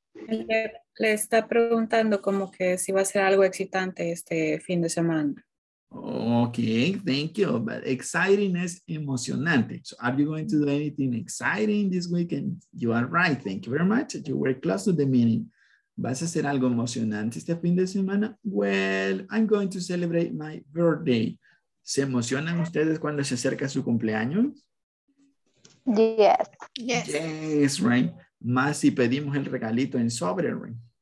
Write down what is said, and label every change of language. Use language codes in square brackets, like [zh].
[es] Le está preguntando como que si va a ser algo excitante este fin de semana. [en] Okay, thank you. But exciting is emocionante. So are you going to do anything exciting this weekend? You are right. Thank you very much. You were close to the meaning. [es] ¿Vas a hacer algo emocionante este fin de semana? [en] Well, I'm going to celebrate my birthday. [es] ¿Se emocionan ustedes cuando se acerca su cumpleaños? [en] Yes. Yes, yes, right. [es] Más si pedimos el regalito en sobre, right?